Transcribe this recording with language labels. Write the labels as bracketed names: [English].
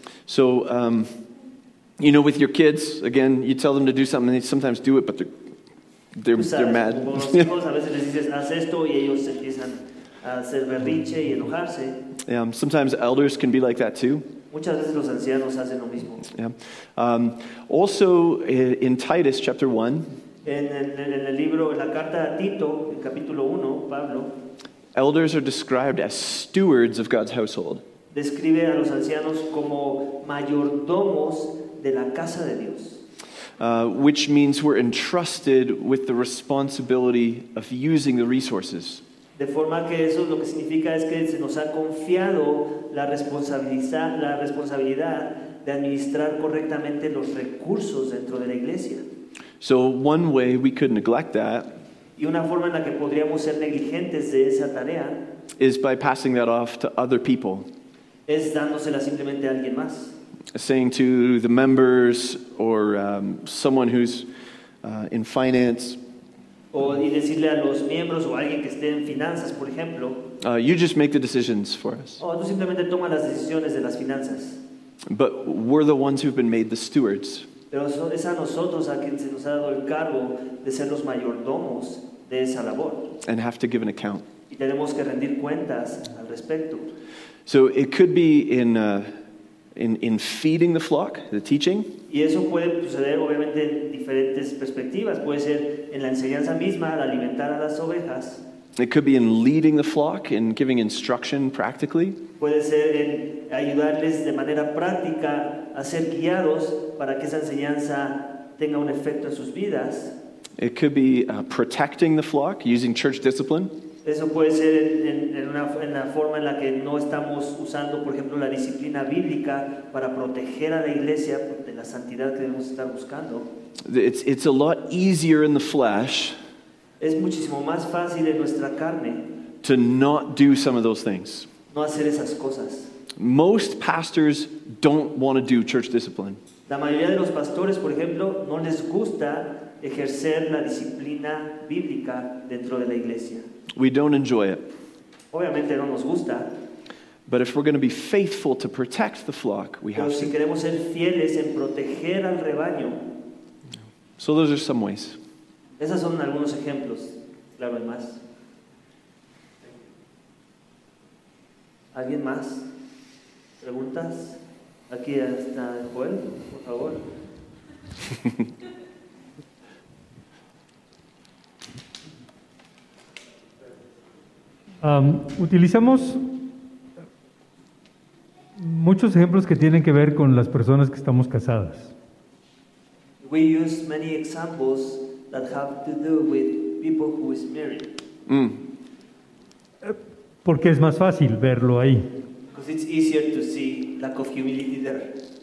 [English] So, you know, with your kids, again, you tell them to do something, and they sometimes do it, but they're mad. [Spanish] Con los hijos, a veces les dices haz esto y ellos empiezan a hacer berrinche y enojarse. [English] Yeah, sometimes elders can be like that too. [Spanish] Muchas veces los ancianos hacen lo mismo. [English] Yeah. Also, in Titus chapter 1, [Spanish] en el libro, en la carta a Tito, en capítulo 1, Pablo, [English] elders are described as stewards of God's household. [Spanish] Describe a los ancianos como mayordomos de la casa de Dios. [English] Which means we're entrusted with the responsibility of using the resources. [Spanish] De forma que eso lo que significa es que se nos ha confiado la responsabilidad de administrar correctamente los recursos dentro de la iglesia. [English] So one way we could neglect that, [Spanish] y una forma en la que podríamos ser negligentes de esa tarea, [English] is by passing that off to other people. [Spanish] Es dándosela simplemente a alguien más. [English] Saying to the members or someone who's in finance, [Spanish] y decirle a los miembros o a alguien que esté en finanzas, por ejemplo, [English] you just make the decisions for us. [Spanish] Tú simplemente tomas las decisiones de las finanzas. [English] But we're the ones who've been made the stewards. [Spanish] Pero es a nosotros a quien se nos ha dado el cargo de ser los mayordomos de esa labor. [English] And have to give an account. [Spanish] Y tenemos que rendir cuentas al respecto. [English] So it could be in feeding the flock, the teaching. [Spanish] Y eso puede suceder obviamente en diferentes perspectivas. Puede ser en la enseñanza misma, al alimentar a las ovejas. [English] It could be in leading the flock and giving instruction practically. [Spanish] Puede ser en ayudarles de manera práctica a ser guiados para que esa enseñanza tenga un efecto en sus vidas. [English] It could be protecting the flock using church discipline. [Spanish] Eso puede ser en la forma en la que no estamos usando, por ejemplo, la disciplina bíblica para proteger a la iglesia de la santidad que debemos estar buscando. [English] It's a lot easier in the flesh. [Spanish] Es muchísimo más fácil en nuestra carne [English] to not do some of those things. [Spanish] No hacer esas cosas. [English] Most pastors don't want to do church discipline. [Spanish] La mayoría de los pastores, por ejemplo, no les gusta ejercer la disciplina bíblica dentro de la iglesia. [English] We don't enjoy it. [Spanish] Obviamente no nos gusta. [English] But if we're going to be faithful to protect the flock, we have to. [Spanish] Si queremos ser fieles en proteger al rebaño. [English] So those are some ways. [Spanish] Esos son algunos ejemplos, claro, más. ¿Alguien más? ¿Preguntas? Aquí está Joel, por favor. Utilizamos muchos ejemplos que tienen que ver con las personas que estamos casadas. [English] We use many examples that have to do with people who is married. [Spanish] Porque es más fácil verlo ahí. [English] Because it's easier to see lack of humility there.